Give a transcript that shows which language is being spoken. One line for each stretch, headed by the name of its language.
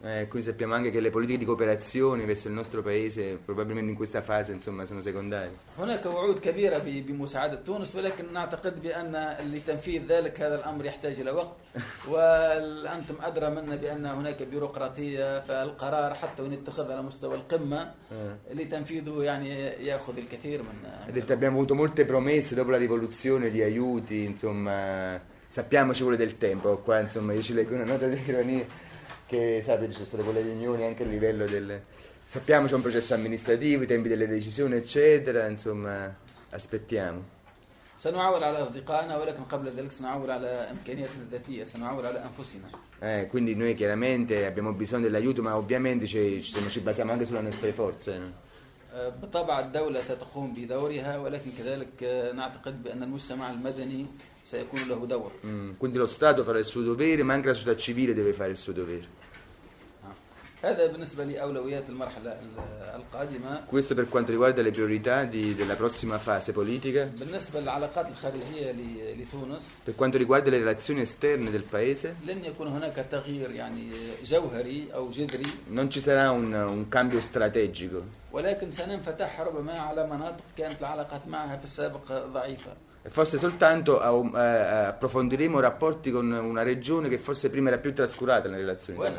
Italian: Quindi sappiamo anche che le politiche di cooperazione verso il nostro paese probabilmente in questa fase insomma sono secondarie.
Arabic: هناك وعود كبيرة بمساعدة تونس ولكن نعتقد بأن لتنفيذ ذلك هذا الأمر يحتاج إلى وقت وأنتم أدرى منا بأن هناك بيروقراطية فالقرار حتى وإن اتخذ على مستوى القمة لتنفيذه يعني يأخذ الكثير من.
Italian: Abbiamo avuto molte promesse dopo la rivoluzione di aiuti insomma sappiamo ci vuole del tempo qua insomma io ci leggo una nota di ironia. Che sapete ci sono state quelle riunioni anche a livello del sappiamo c'è un processo amministrativo i tempi delle decisioni eccetera insomma aspettiamo
Arabic: سنعاول على أصدقائنا ولكن قبل ذلك سنعاول على إمكانياتنا الذاتية سنعاول على أنفسنا.
Italian: Quindi noi chiaramente abbiamo bisogno dell'aiuto ma ovviamente ci basiamo anche sulle nostre forze.
Arabic: بالطبع الدولة ستقوم بدورها ولكن كذلك نعتقد بأن المجتمع المدني سيكون له دور.
Italian: Quindi lo Stato farà il suo dovere ma anche la società civile deve fare il suo dovere.
Arabic: هذا بالنسبة لأولويات المرحلة القادمة.
Italian: Questo per quanto riguarda le priorità della prossima fase politica.
Arabic: بالنسبة للعلاقات الخارجية لتونس.
Italian: Per quanto riguarda le relazioni esterne del paese.
Arabic: لن يكون هناك تغيير يعني جوهري أو جذري.
Italian: Non ci sarà un cambio strategico.
Arabic: ولكن سننفتح ربما على مناطق كانت العلاقات معها في السابق ضعيفة.
Italian: Forse soltanto approfondiremo rapporti con una regione che forse prima era più trascurata nelle relazioni.